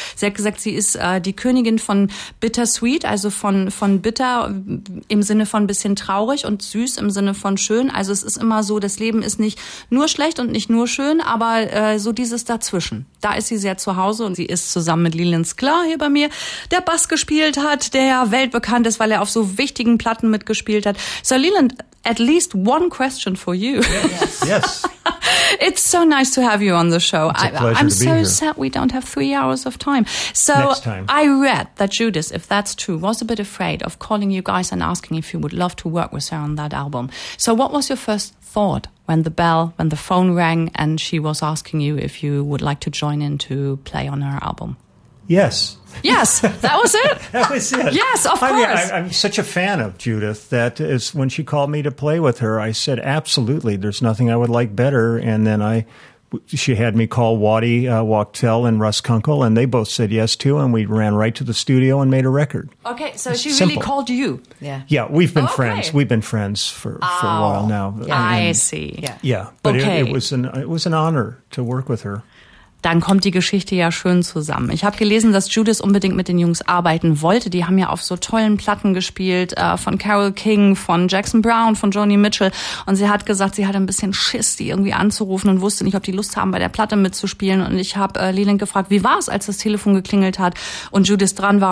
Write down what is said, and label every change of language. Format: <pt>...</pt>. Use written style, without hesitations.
<de>Sie hat gesagt, sie ist die Königin von Bittersweet, also von bitter im Sinne von ein bisschen traurig und süß im Sinne von schön. Also es ist immer so, das Leben ist nicht nur schlecht und nicht nur schön, aber so dieses Dazwischen. Da ist sie sehr zu Hause und sie ist zusammen mit Leland Sklar hier bei mir, der Bass gespielt hat, der ja weltbekannt ist, weil er auf so wichtigen Platten mitgespielt hat.</de> <en>So Leland, at least one question for you. Yes. It's so nice to have you on the show. I'm so sad we don't have 3 hours of time. So next time. I read that Judith, if that's true, was a bit afraid of calling you guys and asking if you would love to work with her on that album. So what was your first thought when the phone rang and she was asking you if you would like to join in to play on her album? Yes. Yes, that was it? That was it. Yes, of course. I mean, I'm such a fan of Judith that is when she called me to play with her, I said, absolutely, there's nothing I would like better. And then she had me call Waddy Wachtel and Russ Kunkel, and they both said yes, too, and we ran right to the studio and made a record. Okay, so it's really called you. Yeah. Yeah, we've been friends. We've been friends for a while now. Yeah. I see. Yeah. But okay. it was an honor to work with her.</en> <de>Dann kommt die Geschichte ja schön zusammen. Ich habe gelesen, dass Judith unbedingt mit den Jungs arbeiten wollte. Die haben ja auf so tollen Platten gespielt, von Carole King, von Jackson Browne, von Joni Mitchell. Und sie hat gesagt, sie hatte ein bisschen Schiss, die irgendwie anzurufen und wusste nicht, ob die Lust haben, bei der Platte mitzuspielen. Und ich habe Leland gefragt, wie war es, als das Telefon geklingelt hat und Judith dran war.</de>